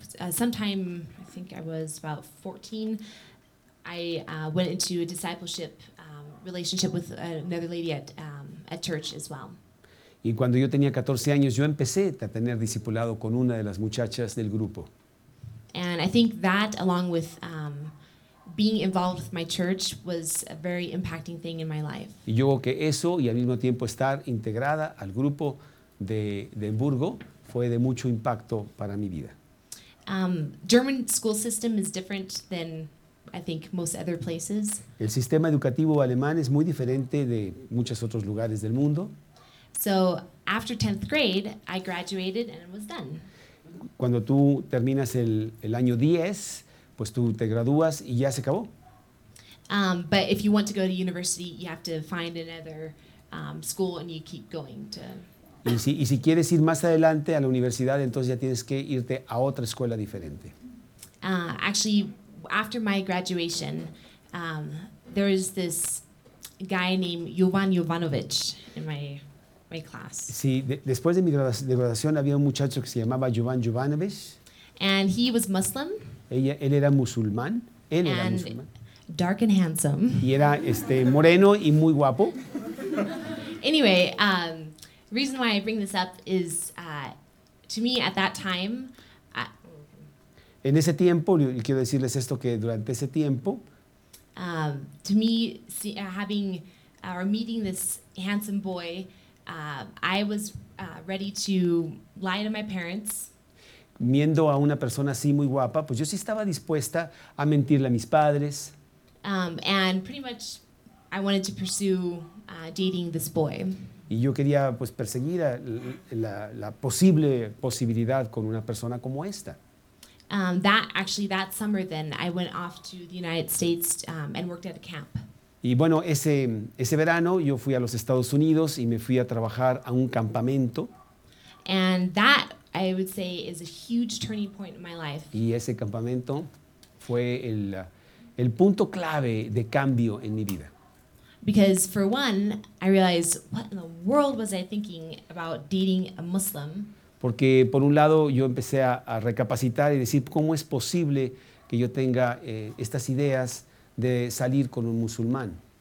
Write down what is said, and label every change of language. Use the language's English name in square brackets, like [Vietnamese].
[English] Sometime, I think I was about 14, I went into a discipleship relationship with another lady at church as well. [Spanish] Y cuando yo tenía 14 años, yo empecé a tener discipulado con una de las muchachas del grupo. [English] And I think that, along with being involved with my church, was a very impacting thing in my life. [Spanish] Y yo creo que eso y al mismo tiempo estar integrada al grupo de Hamburgo fue de mucho impacto para mi vida. [English] German school system is different than I think most other places. [Spanish] El sistema educativo alemán es muy diferente de muchos otros lugares del mundo. [English] So after 10th grade, I graduated and was done. [Spanish] Cuando tú terminas el año 10, pues tú te gradúas y ya se acabó. [English] But if you want to go to university, you have to find another school and you keep going to. [Spanish] Y si quieres ir más adelante a la universidad, entonces ya tienes que irte a otra escuela diferente. [English] Actually, after my graduation, there is this guy named Jovan Jovanovic in my class. [Spanish] Sí, después de mi graduación había un muchacho que se llamaba Jovan Jovanovic. [English] And he was Muslim. [Spanish] Él era musulmán. Él era musulmán. [English] Dark and handsome. [Spanish] Y era moreno y muy guapo. [English] Anyway, reason why I bring this up is to me at that time. [Spanish] En ese tiempo, y quiero decirles esto, que durante ese tiempo, [English] to me, see, having or meeting this handsome boy, I was ready to lie to my parents. [Spanish] Viendo a una persona así muy guapa, pues yo sí estaba dispuesta a mentirle a mis padres. [English] And pretty much, I wanted to pursue dating this boy. [Spanish] Y yo quería pues perseguir la posible posibilidad con una persona como esta. [English] That summer then I went off to the United States and worked at a camp. [Spanish] Y bueno, ese verano yo fui a los Estados Unidos y me fui a trabajar a un campamento. [English] And that I would say is a huge turning point in my life. [Spanish] Y ese campamento fue el punto clave de cambio en mi vida. [English] Because for one, I realized what in the world was I thinking about dating a Muslim? [Spanish] Porque por un lado yo empecé a recapacitar y decir cómo es posible que yo tenga estas ideas de salir con un musulmán.